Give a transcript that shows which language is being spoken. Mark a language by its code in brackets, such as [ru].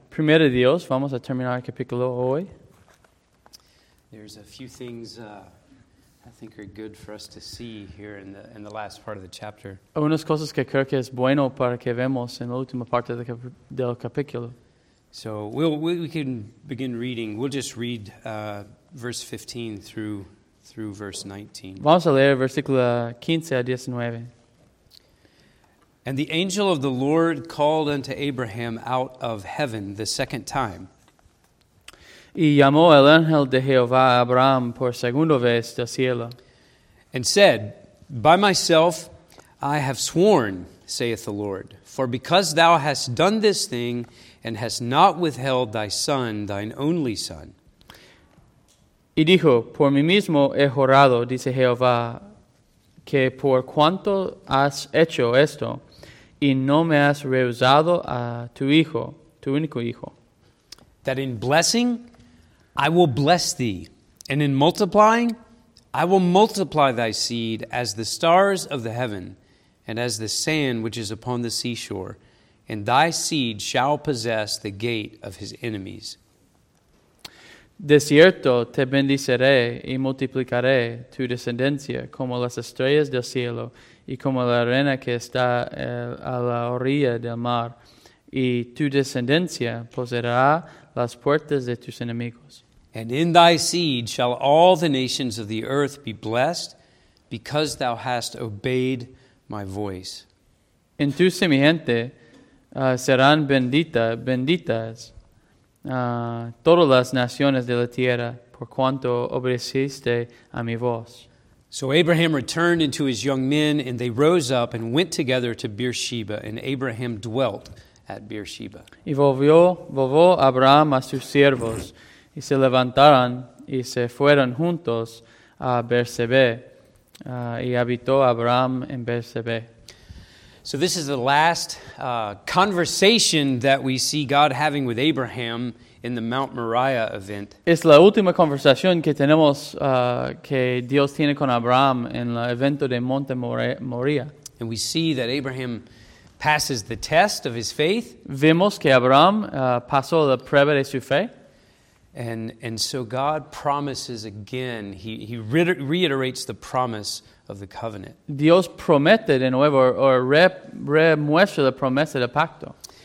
[es] Primero Dios, vamos a terminar el capítulo hoy. [en] There's a few things I think are good for us to see here in the last part of the chapter. [es] Unas cosas que creo que es bueno para que vemos en la última parte del capítulo. [en] So we can begin reading. We'll just read verse 15 through verse 19. [es] Vamos a leer versículo 15 a 19. [en] And the angel of the Lord called unto Abraham out of heaven the second time. [es] Y llamó el ángel de Jehová a Abraham por segunda vez del cielo. [en] And said, By myself I have sworn, saith the Lord, for because thou hast done this thing, and has not withheld thy son, thine only son. [es] Y dijo, por mí mismo he jurado, dice Jehová, que por cuanto has hecho esto, y no me has rehusado a tu hijo, tu único hijo. [en] That in blessing, I will bless thee, and in multiplying, I will multiply thy seed as the stars of the heaven, and as the sand which is upon the seashore. And thy seed shall possess the gate of his enemies. [es] De cierto te bendiceré y multiplicaré tu descendencia como las estrellas del cielo y como la arena que está a la orilla del mar, y tu descendencia poseerá las puertas de tus enemigos. [en] And in thy seed shall all the nations of the earth be blessed, because thou hast obeyed my voice. [es] En tu simiente serán benditas todas las naciones de la tierra por cuanto obedeciste a mi voz. [en] So Abraham returned unto his young men, and they rose up and went together to Beersheba, and Abraham dwelt at Beersheba. [es] Y volvió Abraham a sus siervos, y se levantaron y se fueron juntos a Beersheba, y habitó Abraham en Beersheba. [en] So this is the last conversation that we see God having with Abraham in the Mount Moriah event. [es] Es la última conversación que tenemos que Dios tiene con Abraham en el evento de Monte Moriah. [en] And we see that Abraham passes the test of his faith. [es] Vemos que Abraham pasó la prueba de su fe. [en] And so God promises again. He reiterates the promise of the covenant. [es] Dios promete de nuevo, or remuestra la promesa del pacto.